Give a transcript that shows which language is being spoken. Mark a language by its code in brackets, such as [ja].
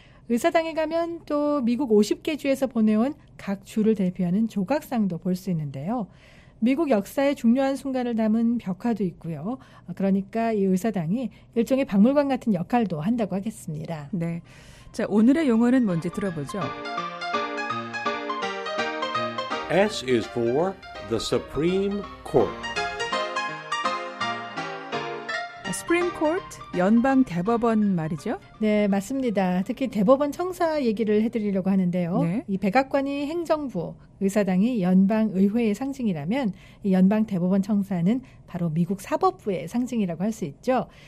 [ko] 의사당에 가면 또 미국 50개 주에서 보내온 각 주를 대표하는 조각상도 볼 수 있는데요. 미국 역사의 중요한 순간을 담은 벽화도 있고요. 그러니까 이 의사당이 일종의 박물관 같은 역할도 한다고 하겠습니다. 네. 자, 오늘의 용어는 뭔지 들어보죠. [en] S is for the Supreme Court. [ko] Supreme Court, 연방 대법원 말이죠? 네, 맞습니다. 특히 대법원 청사 얘기를 해드리려고 하는데요. 네. 이 백악관이 행정부, 의사당이 연방 의회의 상징이라면 이 연방 대법원 청사는 바로 미국 사법부의 상징이라고 할 수 있죠.